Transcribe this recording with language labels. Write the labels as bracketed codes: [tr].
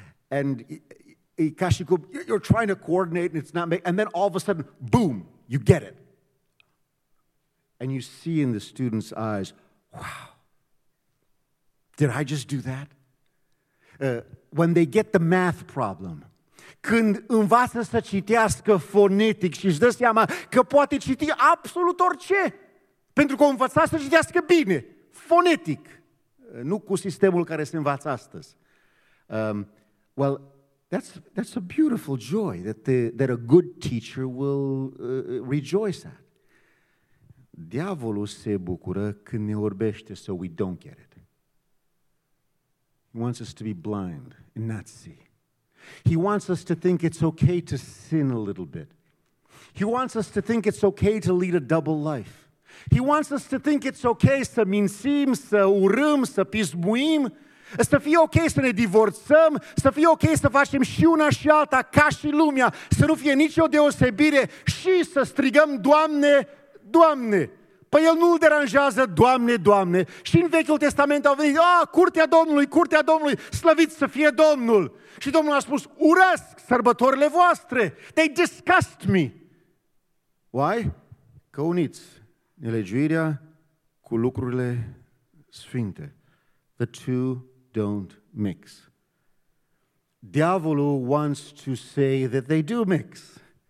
[en] And Kashiko, you're trying to coordinate and it's not making, and then all of a sudden, boom, you get it. And you see in the student's eyes, wow, did I just do that? When they get the math problem, [ro] când învață să citească fonetic și își dă seama că poate citi absolut orice, pentru că o învăța să citească bine, fonetic, nu cu sistemul care se învață astăzi. [en] Well, that's a beautiful joy that a good teacher will rejoice at. [ro] Diavolul se bucură când ne orbește, [en] so we don't get it. He wants us to be blind and not see. He wants us to think it's okay to sin a little bit. He wants us to think it's okay to lead a double life. He wants us to think it's okay [ro] să mințim, să urâm, să pismuim, să fie okay să ne divorțăm, să fie okay să facem și una și alta ca și lumea, să nu fie nicio deosebire și să strigăm Doamne, Doamne. Păi el nu-l deranjează, Doamne, Doamne. Și în Vechiul Testament au venit, curtea Domnului, curtea Domnului, slăvit să fie Domnul. Și Domnul a spus, urăsc sărbătorile voastre. [en] They disgust me. Why? [ro] Că uniți nelegiuirea cu lucrurile sfinte. [en] The two don't mix. Diavolul wants to say that they do mix.